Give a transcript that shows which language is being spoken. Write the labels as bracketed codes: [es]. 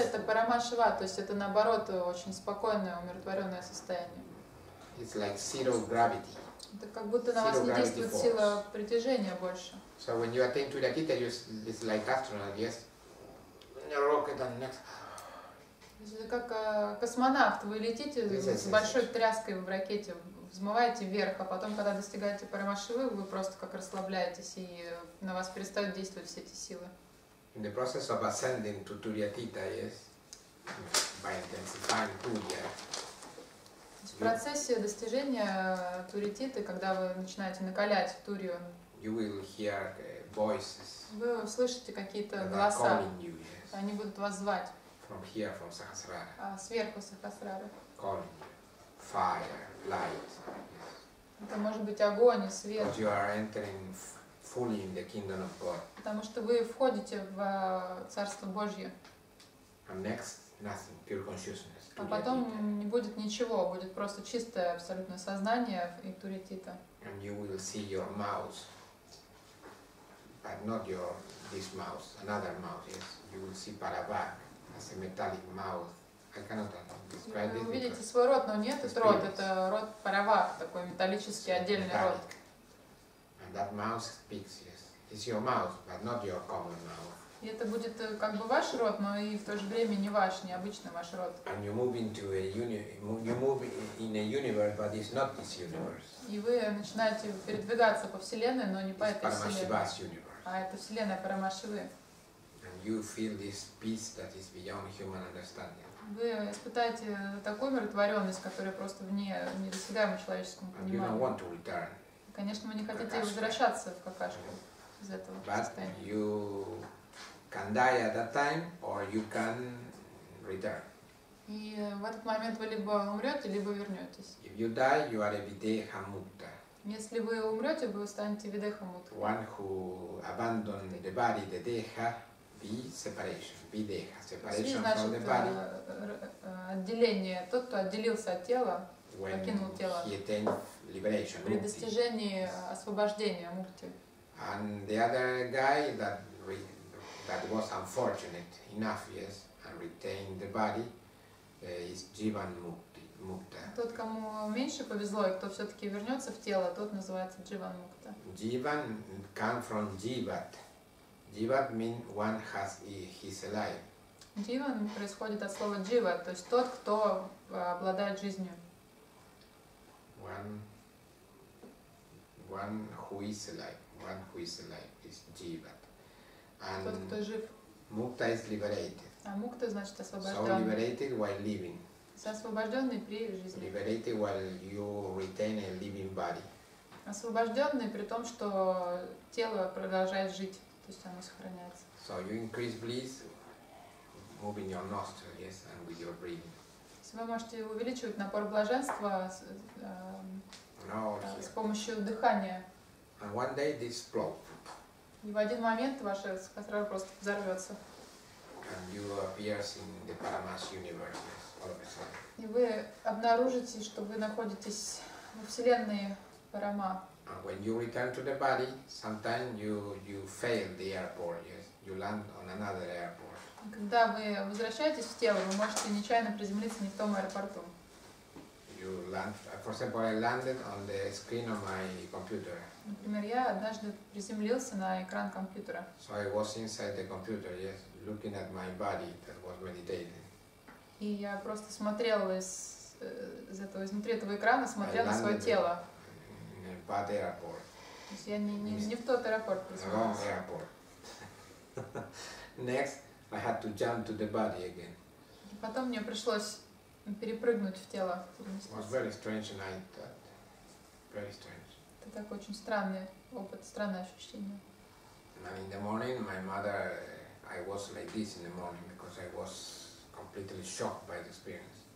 [ru] это парамашива, то есть это наоборот очень спокойное, умиротворенное состояние. [en] It's like zero gravity. [ru] Это как будто на вас не действует сила притяжения больше. [en] So when you attain Turiatita, it's like astronaut, yes? In a rocket and next. [ru] Это как космонавт, вы летите с большой тряской в ракете, взмываете вверх, а потом, когда достигаете Парамашивы, вы просто как расслабляетесь, и на вас перестают действовать все эти силы. [en] In the process of ascending to Turiatita, yes, by intensifying Turia. [ru] В процессе достижения Туриатиты, когда вы начинаете накалять Турию, [en] you will hear voices, [ru] вы услышите какие-то голоса, [en] you, yes. [ru] Они будут вас звать. [en] From here, from Sahasrara. [ru] Сверху Сахасрары. [en] Calling you. Fire, light. [ru] Это может быть огонь и свет. [en] Because you are entering fully in the kingdom of God. [ru] Потому что вы входите в Царство Божье. [en] And next, nothing, pure consciousness. [ru] А потом не будет ничего, будет просто чистое абсолютное сознание и Туриатита. [en] And you will see your mouth. But not your this mouth, another mouth, yes. You will see Parabhag. As a metallic mouth. I cannot describe it. [ru] Вы видите свой рот, но нет, это рот, это рот Паравах, такой металлический отдельный рот. [en] And that mouth speaks, yes. It's your mouth, but not your common mouth. [ru] И это будет как бы ваш рот, но и в то же время не ваш, не обычный ваш рот. [en] And you move into a universe, but it's not this universe. [ru] И вы начинаете передвигаться по вселенной, но не по этой вселенной. [en] Парамашивас universe. [ru] А это вселенная Парамашивы. [en] You feel this peace that is beyond human understanding. [ru] Вы испытаете такую умиротворенность, которая просто вне недосягаемого человеческого понимания. [en] And you don't want to return. [ru] Конечно, вы не хотите возвращаться в какашку из этого состояния. [en] But you can die at that time, or you can return. [ru] И в этот момент вы либо умрете, либо вернетесь. [en] If you die, you are a videha mukta. [ru] Если вы умрете, вы станете videha mukta. [en] One who abandoned the body, the deha. Separation [ru] значит, [en] from the body. [ru] Отделение. Тот, кто отделился от тела, [en] when [ru] покинул тело. [en] He attained liberation, [ru] при достижении [en] yes. [ru] освобождения мукти. [en] And the other guy that was unfortunate enough, yes, and retained the body, is Jivan Mukta. [ru] Тот, кому меньше повезло, и кто все-таки вернется в тело, тот называется Jivan Mukta. [en] Jivan come from Jivat. Jivat means one has his life. [ru] Jivan происходит от слова jiva, то есть тот, кто обладает жизнью. [en] One who is alive. One who is alive is Jivat. And [ru] тот, кто жив. [en] Mukta is liberated. [ru] А мукта значит освобожденный. [en] So liberated while living. [ru] Освобожденный при жизни. [en] Liberated while you retain a living body. [ru] Освобожденный при том, что тело продолжает жить. То есть оно сохраняется. [en] So you increase bliss, moving your nostrils, yes, and with your breathing. [ru] Вы можете увеличивать напор блаженства с помощью дыхания. [en] And one day this explode. [ru] И в один момент ваша сахасрара просто взорвется. [en] And you appear in the Paramahansa universe, yes, all of a sudden. [ru] И вы обнаружите, что вы находитесь во вселенной Парама. [en] And when you return to the body, sometimes you fail the airport, yes. You land on another airport. [ru] Когда вы возвращаетесь в тело, вы можете нечаянно приземлиться не в том аэропорту. [en] You land, for example, I landed on the screen of my computer. [ru] Например, я однажды приземлился на экран компьютера. [en] So I was inside the computer, yes, looking at my body that was meditating. [ru] И я просто смотрел изнутри этого экрана на свое тело. [en] Bad airport. [ru] То есть я не в тот аэропорт приземлился. [en] Wrong airport. Next, I had to jump to the body again. [ru] И потом мне пришлось перепрыгнуть в тело. [en] It was very strange night. Very strange. [ru] Это так очень странный опыт, странное ощущение. [en] And in the morning, my mother, I was like this in the morning because I was completely shocked by the experience.